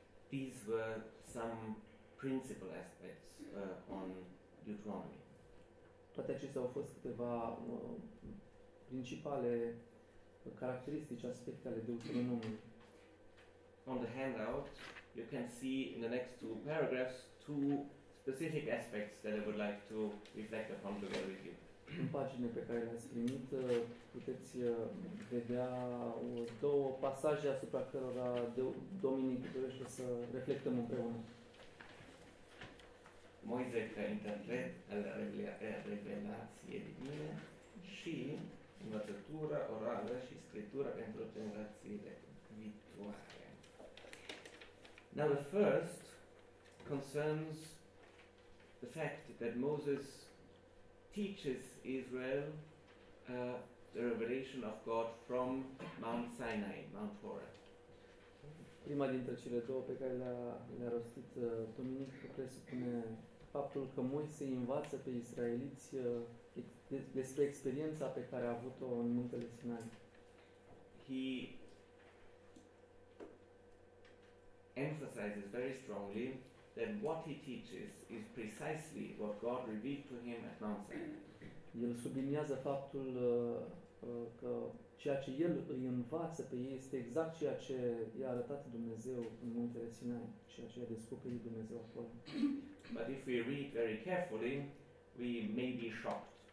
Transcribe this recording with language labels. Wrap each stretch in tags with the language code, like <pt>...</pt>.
<en>These were some principal aspects on Deuteronomy.</en> <ro>Toate acestea au fost câteva principale caracteristici, aspecte ale Deuteronomului.</ro> <en>On the handout, you can see in the next two paragraphs two specific aspects that I would like to reflect upon together with you.</en> <ro>În pagina pe care le-ați primit, puteți vedea două pasaje asupra cărora Dominic dorește să reflectăm împreună. Moise ca interpret al revelației divine și învățătura orală și scriptura pentru generațiile viitoare.</ro> <en>Now the first concerns the fact that Moses teaches Israel the revelation of God from Mount Sinai, Mount Horeb.</en> <ro>Prima dintre cele două pe care le-a rostit Dominic presupune faptul că Moise învață pe israeliți despre experiența pe care a avut-o în muntele Sinai.</ro> <en>He emphasizes very strongly that what he teaches is precisely what God revealed to him at Mount Sinai.</en> <ro>El subliniază faptul că ceea ce el îi învață pe ei este exact ceea ce i-a arătat Dumnezeu în muntele Sinai, ceea ce i-a descoperit Dumnezeu acolo.</ro> <en>But if we read very carefully, we may be shocked.</en>